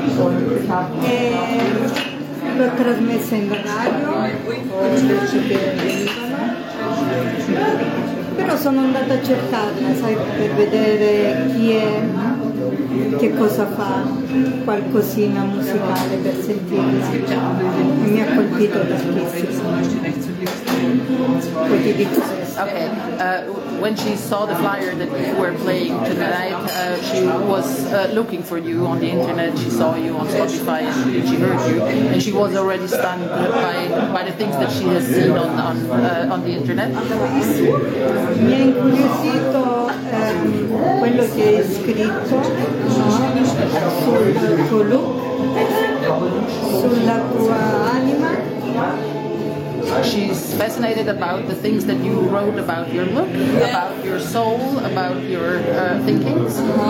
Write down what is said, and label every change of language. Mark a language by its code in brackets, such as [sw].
[it] E l'ho trasmessa in radio, però sono andata a cercarla, sai, per vedere chi è, che cosa fa, qualcosina musicale per sentirsi. E mi ha colpito tantissimo. [en] Okay, when she saw the flyer that you were playing tonight, she was looking for you on the internet, she saw you on Spotify, and she heard you, and she was already stunned by the things that she has seen on the internet. [it] Mi ha incuriosito quello che hai scritto sul tuo look, sulla tua anima. [en] She's fascinated about the things that you wrote about your look, yeah, about your soul, about your thinkings.